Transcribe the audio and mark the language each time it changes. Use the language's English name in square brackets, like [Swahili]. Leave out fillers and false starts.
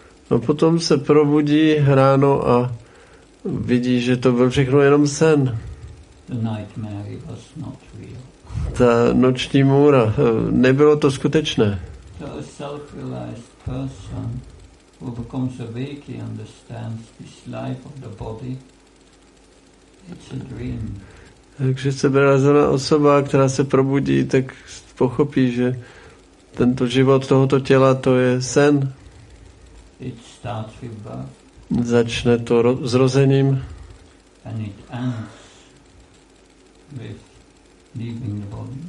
[Czech] No potom se probudí ráno a vidí, že to byl všechno jenom sen. [English] The nightmare was not real. [Czech] Ta noční můra, nebylo to skutečné. [English] So a self-realized person who becomes awake and understands this life of the body, it's a dream. [Czech] Takže sebrealizovaná osoba, která se probudí, tak pochopí, že tento život tohoto těla, to je sen. [English] It starts with birth. [Czech] Začne to zrozením. [English] And it ends with leaving the body.